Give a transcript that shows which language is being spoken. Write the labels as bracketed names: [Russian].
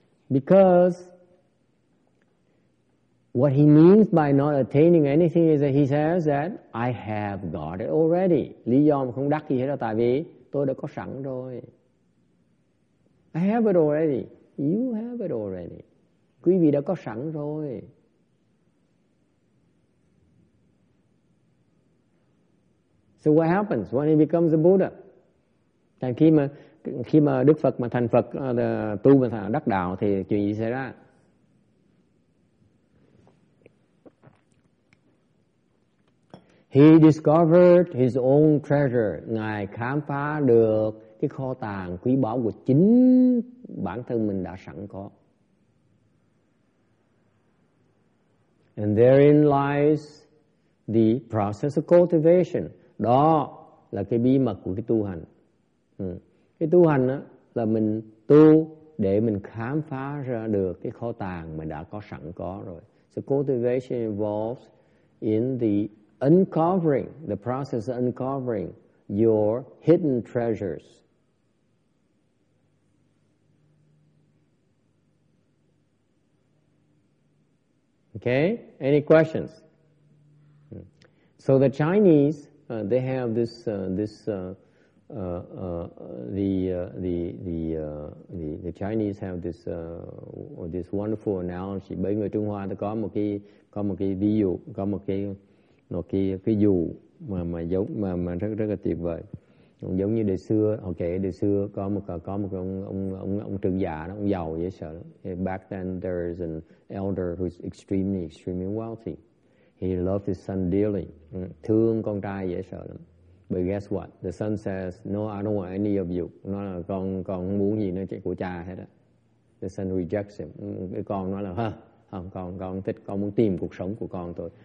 [English] Because what he means by not attaining anything is that he says that I have got it already. [Vietnamese] Lý do mà không đắc gì hết là tại vì tôi đã có sẵn rồi. [English] I have it already. You have it already. [Vietnamese] Quý vị đã có sẵn rồi. [English] So what happens when he becomes a Buddha? [Vietnamese] Thành khi mà Đức Phật mà thành Phật tu mà thành đắc đạo thì chuyện gì xảy ra? [English] He discovered his own treasure. [Vietnamese] Ngài khám phá được cái kho tàng quý báu của chính bản thân mình đã sẵn có. [English] And therein lies the process of cultivation. [Vietnamese] Đó là cái bí mật của cái tu hành. Cái tu hành đó, là mình tu để mình khám phá ra được cái kho tàng mình đã có sẵn có rồi. [English] So cultivation involves in the uncovering, the process of uncovering your hidden treasures. Okay, any questions? So the Chinese, they have the Chinese have this wonderful analogy. [Vietnamese] Bởi người Trung Hoa thì có một cái ví dụ, có một cái dụ mà giống mà rất rất là tuyệt vời. Cũng giống như đời xưa, okay, đời xưa có một ông trưởng giả đó, ông giàu dễ sợ. [English] Back then there is an elder who's extremely wealthy. He loved his son dearly. [Vietnamese] Thương con trai dễ sợ lắm. [English] But guess what? The son says, "No, I don't want any of you." [Vietnamese] Nó là con không muốn gì nữa chứ của cha hết á. [English] The son rejects him. [Vietnamese] Cái con nói là, không, con thích, con muốn tìm cuộc sống của con thôi.